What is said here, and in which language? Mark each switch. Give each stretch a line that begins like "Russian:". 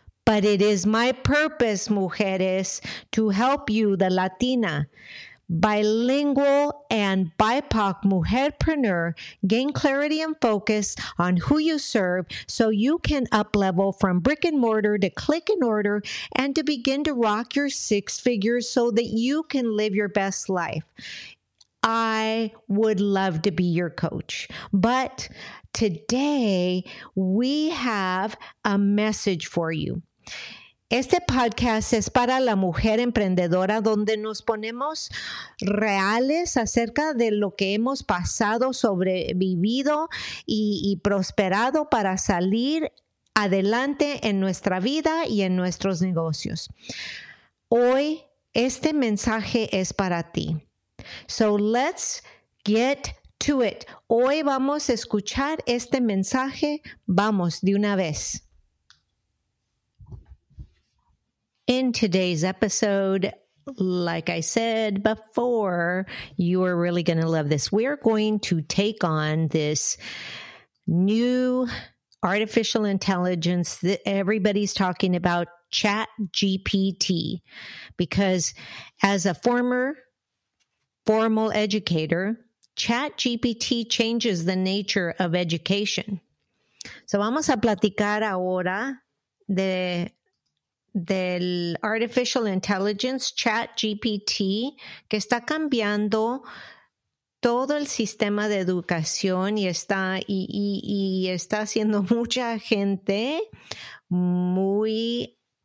English: But it is my purpose, mujeres, to help you, the Latina, bilingual and BIPOC mujerpreneur, gain clarity and focus on who you serve so you can up-level from brick and mortar to click and order and to begin to rock your six figures so that you can live your best life. I would love to be your coach, but today we have a message for you.
Spanish: Este podcast es para la mujer emprendedora donde nos ponemos reales acerca de lo que hemos pasado, sobrevivido y prosperado para salir adelante en nuestra vida y en nuestros negocios. Hoy este mensaje es para ti.
English: So let's get to it.
Spanish: Hoy vamos a escuchar este mensaje. Vamos de una vez.
English: In today's episode, like I said before, you are really going to love this. We are going to take on this new artificial intelligence that everybody's talking about, ChatGPT, because as a former formal educator, ChatGPT changes the nature of education.
Spanish: So vamos a platicar ahora del artificial intelligence, ChatGPT, que está cambiando todo el sistema de educación y está haciendo mucha gente muy